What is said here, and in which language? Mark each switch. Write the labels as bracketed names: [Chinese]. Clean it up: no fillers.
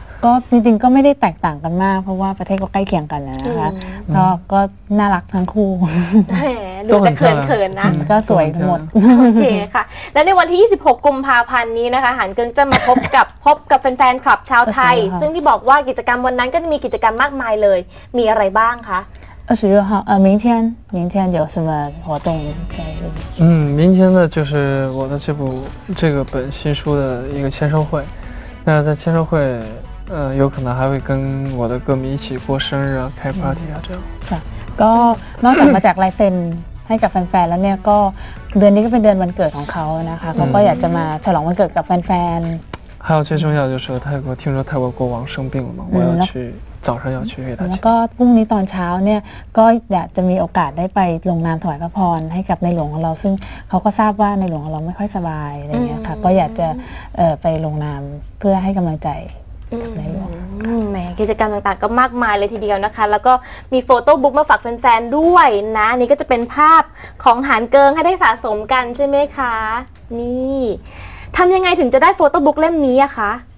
[Thai] ก็จริงๆก็ไม่ได้แตกต่างกันมากเพราะว่าประเทศก็ใกล้เคียงกันนะคะก็น่ารักทั้งคู่ดูจะเขินๆนะ ก็สวยทั้งหมด โอเคค่ะและในวันที่26กุมภาพันธ์นี้นะคะหันเกิงจะมาพบกับแฟนๆคลับชาวไทยซึ่งที่บอกว่ากิจกรรมวันนั้นก็มีกิจกรรมมากมายเลยมีอะไรบ้างคะ [Chinese] 26号，明天，明天有什么活动在？明天呢，就是我的这个新书的一个签售会。那在签售会，有可能还会跟我的歌迷一起过生日啊，开 party 啊，这样。 [Thai] ก็นอกจากมาจากลายเซ็นให้กับแฟนๆแล้วเนี่ยก็เดือนนี้ก็เป็นเดือนวันเกิดของเขานะคะเขาก็อยากจะมาฉลองวันเกิดกับแฟน [Chinese] ๆ还有最重要就是泰国，听说泰国国王生病了嘛，我要去。早上要去给他 [Thai] แล้วก็พรุ่งนี้ตอนเช้าเนี่ยก็อยากจะมีโอกาสได้ไปลงนามถวายพระพรให้กับในหลวงของเราซึ่งเขาก็ทราบว่าในหลวงของเราไม่ค่อยสบายอะไรเงี้ยค่ะก็อยากจะไปลงนามเพื่อให้กำลังใจในหลวง แหมกิจกรรมต่างๆก็มากมายเลยทีเดียวนะคะแล้วก็มีโฟโต้บุ๊กมาฝากแฟนๆด้วยนะนี่ก็จะเป็นภาพของหานเกิงให้ได้สะสมกันใช่ไหมคะนี่ทำยังไงถึงจะได้โฟโต้บุ๊กเล่มนี้อะคะ